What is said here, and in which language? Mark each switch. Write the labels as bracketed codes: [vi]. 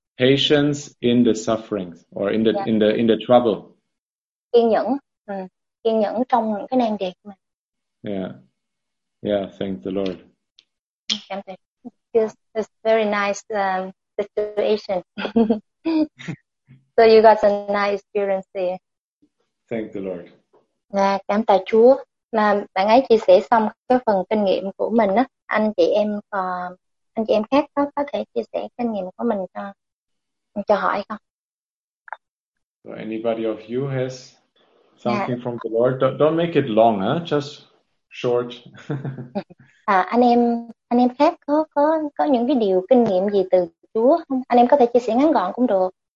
[en] Patience in the suffering or in the trouble. [vi] Kiên nhẫn. kiên nhẫn trong cái nan đề của mình. [en] Yeah, yeah, thank the Lord. [vi] Cảm ơn. [en] It's very nice situation. So you got a nice experience there. Thank the Lord. [vi] Cảm tạ Chúa. Mà bạn ấy chia sẻ xong cái phần kinh nghiệm của mình á, anh chị em khác có thể chia sẻ kinh nghiệm của mình cho hỏi không? [en] So anybody of you has something from the Lord? Don't make it long, huh? Just short. [vi] anh em khác có những cái điều kinh nghiệm gì từ Chúa không? Anh em có thể chia sẻ ngắn gọn cũng được.